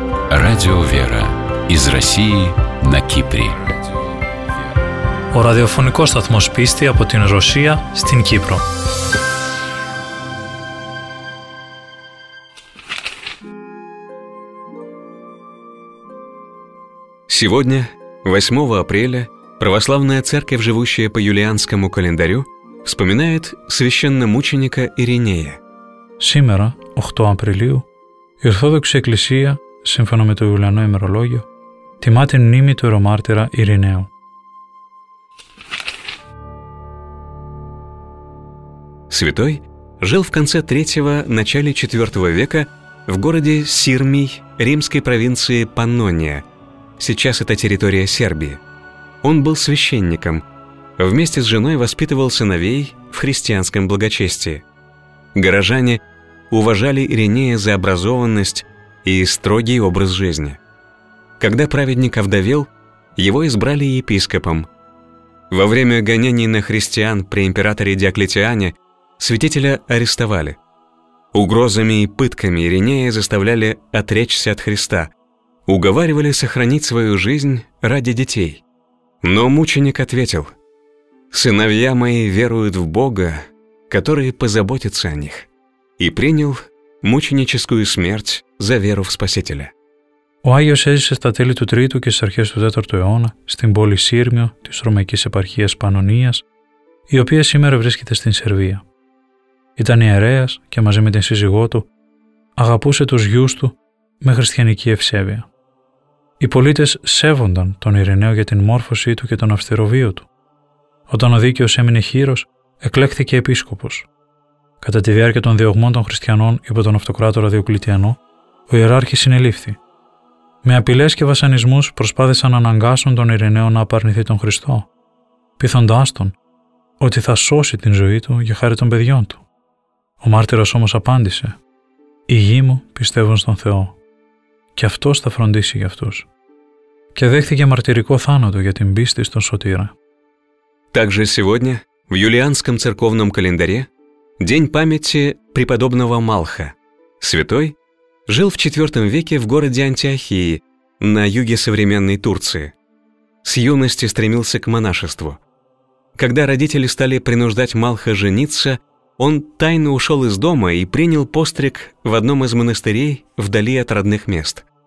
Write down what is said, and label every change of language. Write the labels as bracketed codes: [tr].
[ru] Радио Вера из России на Кипре. [el] Ο ραδιοφωνικός σταθμός πίστη από την Ρωσία στην Κύπρο. [ru] Сегодня, 8 апреля, православная церковь, живущая по юлианскому календарю, вспоминает священномученика Иринея. [el] Σήμερα, 8 Απριλίου, η Ορθόδοξη Εκκλησία, σύμφωνα με το Ιουλιανό ημερολόγιο, τιμά την μνήμη του ιερομάρτυρα Ειρηναίου. [ru] Святой жил в конце 3-го, начале 4-го века в городе Сирмий римской провинции Паннония. Сейчас это территория Сербии. Он был священником. Вместе с женой воспитывал сыновей в христианском благочестии. Горожане уважали Иринея за образованность и строгий образ жизни. Когда праведник овдовел, его избрали епископом. Во время гонений на христиан при императоре Диоклетиане святителя арестовали. Угрозами и пытками Иринея заставляли отречься от Христа, уговаривали сохранить свою жизнь ради детей. Но мученик ответил: «Сыновья мои веруют в Бога, который позаботится о них», и принял мученическую смерть за веру в Спасителя. [el] Ο Άγιος έζησε στα τέλη του 3ου και στις αρχές του 4ου αιώνα στην πόλη Σύρμιο της Ρωμαϊκής επαρχίας Πανωνίας, η οποία σήμερα βρίσκεται στην Σερβία. Ήταν ιερέας και μαζί με την σύζυγό του αγαπούσε τους γιους του με χριστιανική ευσέβεια. Οι πολίτες σέβονταν τον Ειρηναίο για την μόρφωσή του και τον αυστηρό βίο του. Όταν ο Δίκαιος έμεινε χείρος, εκλέχθηκε επίσκοπος. Κατά τη διάρκεια των διωγμών των χριστιανών υπό τον αυτοκράτορα Διοκλητιανό, ο ιεράρχης συνελήφθη. Με απειλές και βασανισμούς προσπάθησαν να αναγκάσουν τον Ειρηναίο να απαρνηθεί τον Χριστό, πείθοντάς τον ότι θα σώσει την ζωή του για χάρη των παιδιών του. Ο μάρτυρας όμως απάντησε: «Οι γη μου πιστεύουν στον Θεό και αυτός θα φροντίσει για αυτούς». Και δέχθηκε μαρτυρικό θάνατο για την πίστη στον Σωτήρα. [ru] Также сегодня в юлианском церковном календаре день памяти преподобного Малха. Святой жил в 4 веке в городе Антиохии на юге современной Турции. С юности стремился к монашеству. Когда родители стали принуждать Малха жениться, он тайно ушел из дома и принял постриг в одном из монастырей вдали от родных мест.